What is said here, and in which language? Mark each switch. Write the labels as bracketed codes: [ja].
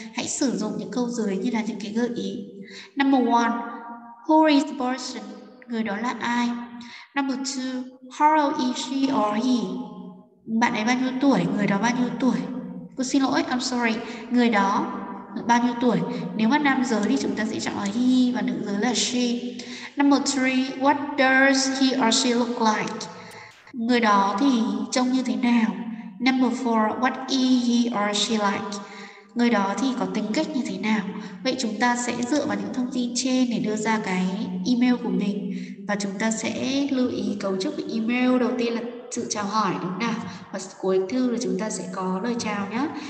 [vi] Hãy sử dụng những câu dưới như là những cái gợi ý. [en] Number 1. Who is the person? [vi] Người đó là ai? [en] Number 2. How is she or he? [vi] Bạn ấy bao nhiêu tuổi? Người đó bao nhiêu tuổi? Cô xin lỗi, [en] I'm sorry. [vi] Người đó bao nhiêu tuổi? Nếu mà nam giới thì chúng ta sẽ chọn là he và nữ giới là she. [en] Number three, what does he or she look like? [vi] Người đó thì trông như thế nào? [en] Number four, what is he or she like? [vi] Người đó thì có tính cách như thế nào? Vậy chúng ta sẽ dựa vào những thông tin trên để đưa ra cái email của mình. Và chúng ta sẽ lưu ý cấu trúc email. Đầu tiên là sự chào hỏi, đúng nào? Và cuối thư là chúng ta sẽ có lời chào nhé.